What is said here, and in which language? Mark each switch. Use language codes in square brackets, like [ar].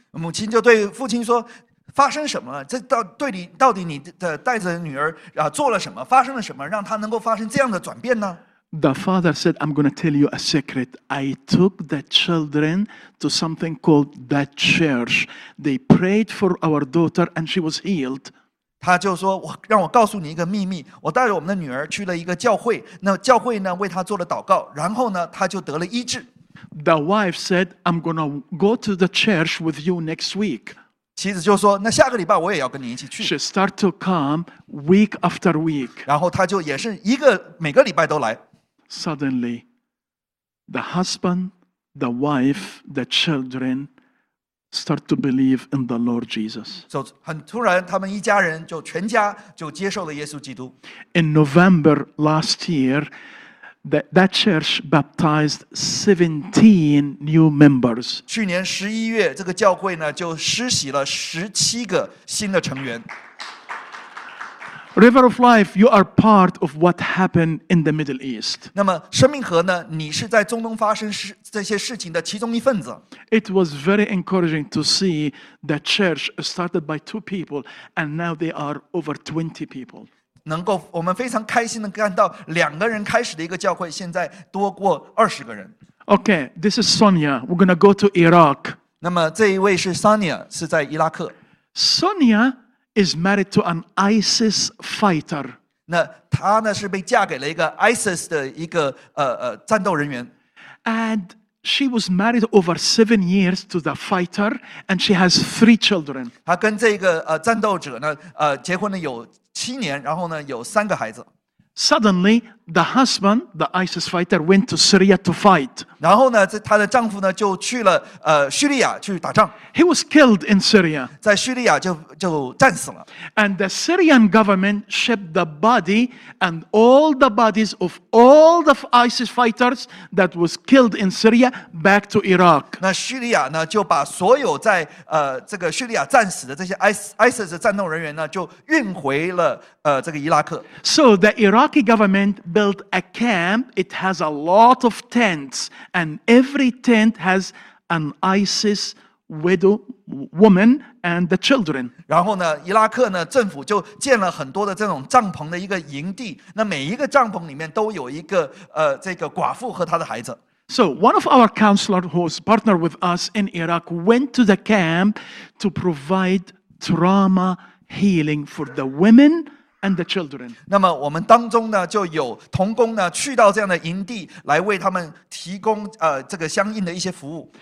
[zh] 母亲就对父亲说，发生什么？这到底你的带着女儿做了什么？发生了什么让她能够发生这样的转变呢？ [en] The father said, I'm going to tell you a secret. I took the children to something called the church. They prayed for our daughter and she was healed. [zh] 他就说让我告诉你一个秘密我带着我们的女儿去了一个教会那教会呢为她做了祷告然后呢她就得了医治 [en] The wife said I'm going to go to the church with you next week [zh] 妻子就说那下个礼拜我也要跟你一起去 [en] She start to come week after week [zh] 然后她就也是一个每个礼拜都来 [en] Suddenly the husband the wife the childrenStart to believe in the Lord Jesus. [zh] So, 很突然，他们一家人就全家就接受了耶稣基督。 [en] In November last year, that church baptized 17 new members. [zh] 去年十一月，这个教会呢就施洗了17个新的成员。 [en] River of Life, you are part of what happened in the Middle East. [zh] 那么生命河呢？你是在中东发生这些事情的其中一份子。 [en] It was very encouraging to see the church started by 2 people, and now they are over 20 people. [zh] 能够我们非常开心的看到两个人开始的一个教会，现在多过20个人。 [en] Okay, this is Sonia. We're going to go to Iraq. [zh] 那么这一位是 Sonia， 是在伊拉克。 [en] Sonia. Is married to an ISIS fighter. [zh] 那她呢是被嫁给了一个 ISIS 的一个战斗人员。 [en] And she was married over 7 years to the fighter, and she has 3 children. [zh] 她跟这个战斗者呢结婚了有七年，然后呢有三个孩子。 [en] Suddenly, the husband, the ISIS fighter, went to Syria to fight. [zh] 然后呢，她的丈夫呢就去了叙利亚去打仗。 [en] He was killed in Syria. [zh] 在叙利亚就战死了。 [en] And the Syrian government shipped the body and all the bodies of all the ISIS fighters that was killed in Syria back to Iraq. [zh] 那叙利亚呢就把所有在这个叙利亚战死的这些 ISIS 的战斗人员呢就运回了这个伊拉克。 [en] So the Iraq Iraqi government built a camp. It has a lot of tents, and every tent has an ISIS widow woman and the children. [zh] 然后呢，伊拉克呢政府就建了很多的这种帐篷的一个营地。那每一个帐篷里面都有一个这个寡妇和她的孩子。 [en] So one of our counselors who was partnered with us in Iraq went to the camp to provide trauma healing for the women and the children. [zh] 那么我们当中呢就有同工呢去到这样的营地来为他们提供这个相应的一些服务。